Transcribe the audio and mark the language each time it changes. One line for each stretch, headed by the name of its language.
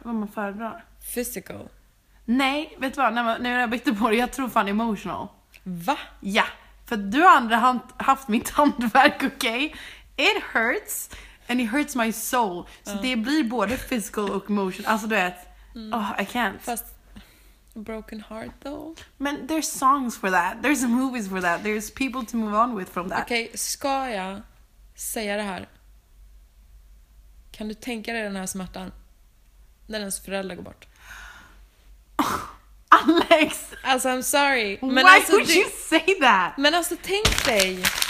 Swedish: Vad man föredrar.
English: Physical.
Swedish: Nej, vet du vad? När jag bytte på det, jag tror fan emotional. Va? Ja, för du har aldrig haft mitt handverk, okej? Okay?
English: It hurts. And it hurts my soul.
Swedish: Så det blir både physical och emotional. Alltså du vet,
English: I can't. Fast, broken heart though. Men there's songs for that. There's movies for that. There's people to move on with from that.
Swedish: Okej, ska jag säga det här? Kan du tänka dig den här smärtan? När ens föräldrar går bort. Alex!
English: Alltså, I'm sorry.
Swedish: Men
English: why
Swedish: alltså,
English: would you say that?
Swedish: Men alltså, tänk dig.